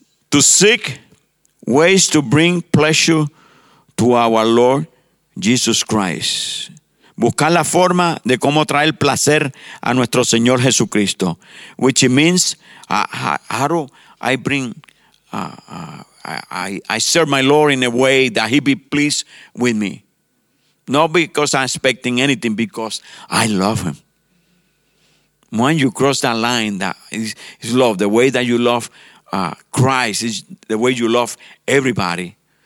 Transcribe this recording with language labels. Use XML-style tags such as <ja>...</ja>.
<en>To seek ways to bring pleasure to our Lord Jesus Christ.</en> <es>Buscar la forma de cómo traer placer a nuestro Señor Jesucristo.</es> <en>Which means, how do I bring, I serve my Lord in a way that he be pleased with me. Not because I'm expecting anything, because I love him. When you cross that line, that is love, the way that you love Christ is the way you love everybody.</en>